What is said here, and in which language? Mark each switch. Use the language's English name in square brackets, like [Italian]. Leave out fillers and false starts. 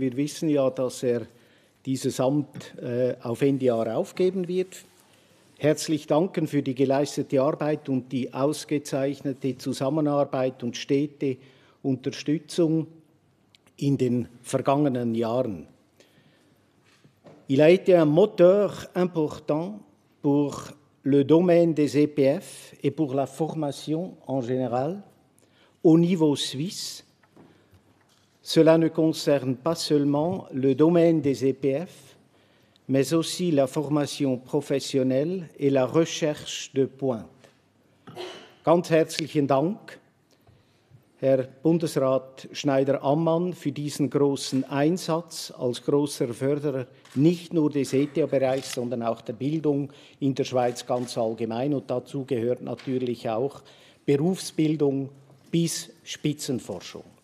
[German] Wir wissen ja, dass er dieses Amt auf Ende Jahr aufgeben wird. Herzlich danken für die geleistete Arbeit und die ausgezeichnete Zusammenarbeit und stete Unterstützung in den vergangenen Jahren. [French] Il a été un moteur important pour le domaine des EPF et pour la formation en général au niveau suisse. Cela ne concerne pas seulement le domaine des EPF, mais aussi la formation professionnelle et la recherche de pointe. [German] Ganz herzlichen Dank, Herr Bundesrat Schneider-Ammann, für diesen großen Einsatz als großer Förderer nicht nur des ETH-Bereichs, sondern auch der Bildung in der Schweiz ganz allgemein. Und dazu gehört natürlich auch Berufsbildung bis Spitzenforschung.